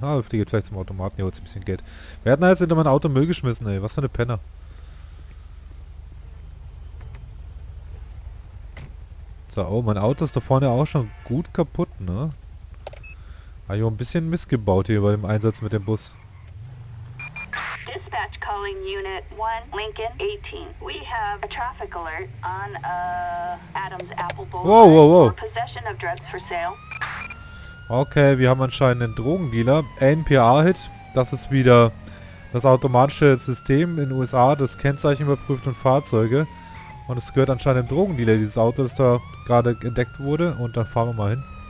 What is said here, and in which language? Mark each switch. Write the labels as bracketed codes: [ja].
[de] Ah, die geht vielleicht zum Automaten. Hier holt sie ein bisschen Geld. Wer hat denn jetzt hinter mein Auto Müll geschmissen, ey? Was für eine Penner. So, oh, mein Auto ist da vorne auch schon gut kaputt, ne? Ah, jo, ein bisschen missgebaut hier bei dem Einsatz mit dem Bus. [en] Dispatch calling Unit 1, Lincoln 18. We have a traffic alert on Adams Apple Boulevard. Whoa, whoa, whoa. For possession of drugs for sale. [de] Okay, wir haben anscheinend einen Drogendealer. NPR-Hit. Das ist wieder das automatische System in den USA, das Kennzeichen überprüft und Fahrzeuge. Und es gehört anscheinend einem Drogendealer, dieses Auto, das da gerade entdeckt wurde. Und dann fahren wir mal hin.